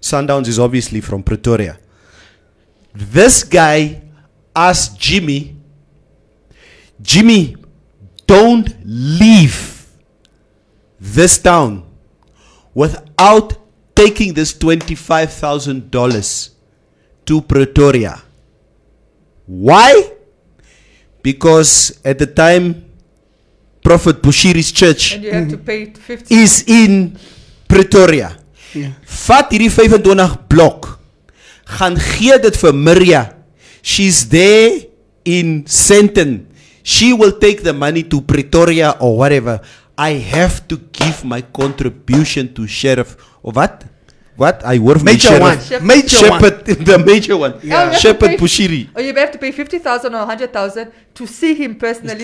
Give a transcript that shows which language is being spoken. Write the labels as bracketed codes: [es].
[en] Sundowns is obviously from Pretoria. This guy asked Jimmy, don't leave this town without taking this $25,000 to Pretoria. Why? Because at the time, Prophet Bushiri's church is in Pretoria. Yeah. [af] Vat hierdie 25 blok, gaan gee dit vir Maria. [en] She's there in Sandton. She will take the money to Pretoria or whatever. I have to give my contribution to Sheriff. Or what? What? I work for major one. Shepherd. The major one. Yeah. Oh, Shepherd Bushiri. Oh, you have to pay 50,000 or 100,000 to see him personally.